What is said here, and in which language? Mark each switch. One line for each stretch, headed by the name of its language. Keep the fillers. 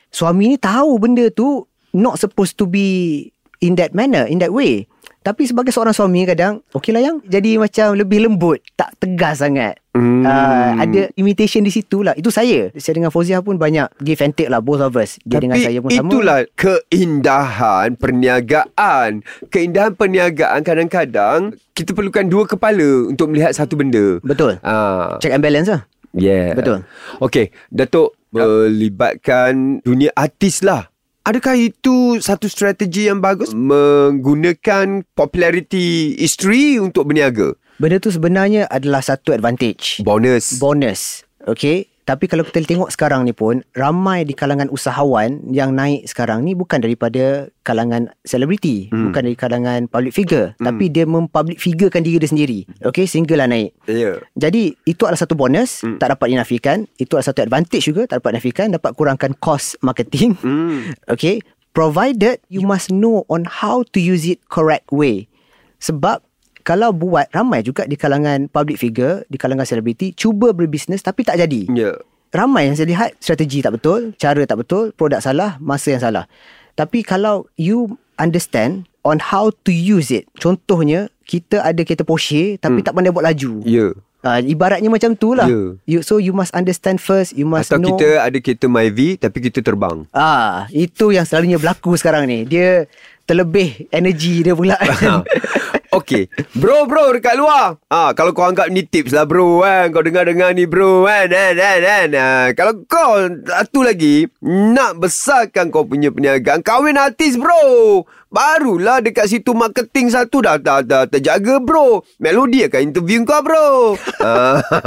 Malay: Suami ni tahu benda tu
English: not supposed to be in that manner, in that way.
Malay: Tapi sebagai seorang suami kadang Okey lah yang Jadi macam lebih lembut Tak tegas sangat mm. uh, Ada imitation di situ lah Itu saya Saya dengan Fauziah pun banyak
English: Give and take
Malay: lah
English: Both of us
Malay: Dia Tapi dengan saya pun itulah sama itulah Keindahan Perniagaan Keindahan perniagaan Kadang-kadang Kita perlukan dua kepala Untuk melihat satu benda Betul uh. Ah.
English: Check and balance
Malay: lah Yeah Betul Okay Datuk Melibatkan yep. Dunia artis lah Adakah itu satu strategi yang bagus? Menggunakan populariti isteri untuk berniaga. Benda tu sebenarnya adalah satu advantage. Bonus. Bonus. Okay. Tapi kalau kita tengok sekarang ni pun ramai di kalangan usahawan yang naik sekarang ni bukan daripada kalangan selebriti, hmm. bukan dari kalangan public figure, hmm. tapi dia mempublic figurekan diri dia sendiri. Okay, single lah naik. Yeah. Jadi itu adalah satu bonus hmm. tak dapat dinafikan, itu adalah satu advantage juga tak dapat dinafikan dapat kurangkan cost marketing. Hmm.
English: Okay, provided you, you must know on how to use it correct way.
Malay: Sebab kalau buat ramai juga di kalangan public figure di kalangan selebriti cuba berbisnes tapi tak jadi yeah. ramai yang saya lihat strategi tak betul cara tak betul produk salah masa yang salah tapi kalau
English: you understand on how to use it
Malay: contohnya kita ada kereta Porsche tapi hmm. tak pandai buat laju yeah. Uh, ibaratnya macam tu lah. Yeah.
English: You, so you must understand first. You must
Malay: Atau
English: know.
Malay: Atau kita ada kereta Myvi tapi kita terbang. Ah, uh, Itu yang selalunya berlaku sekarang ni. Dia terlebih energy dia pula. Okay Bro bro dekat luar Ah, ha, Kalau kau anggap ni tips lah bro kan eh? Kau dengar-dengar ni bro kan eh, kan, kan, kan. Ha, Kalau kau Satu lagi Nak besarkan kau punya perniagaan Kawin artis bro Barulah dekat situ marketing satu dah, dah, dah, dah terjaga bro Melodi akan interview kau bro ha,